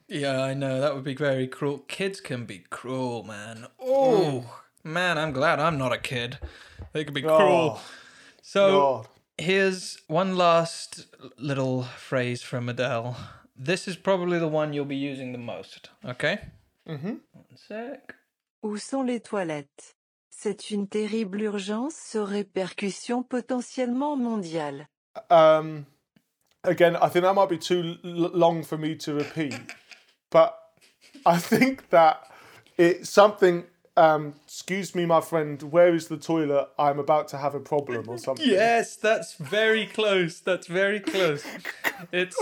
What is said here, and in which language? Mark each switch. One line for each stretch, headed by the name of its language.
English: Yeah, I know. That would be very cruel. Kids can be cruel, man. Oh, man, I'm glad I'm not a kid. They can be cruel. So here's one last little phrase from Adele. This is probably the one you'll be using the most, okay? Mm-hmm. One sec.
French: Où sont les toilettes? C'est une terrible urgence, sur répercussion potentiellement mondiale.
English: Again, I think that might be too long for me to repeat, but I think that it's something, excuse me, my friend, where is the toilet? I'm about to have a problem or something. Yes, that's very close. That's very close. It's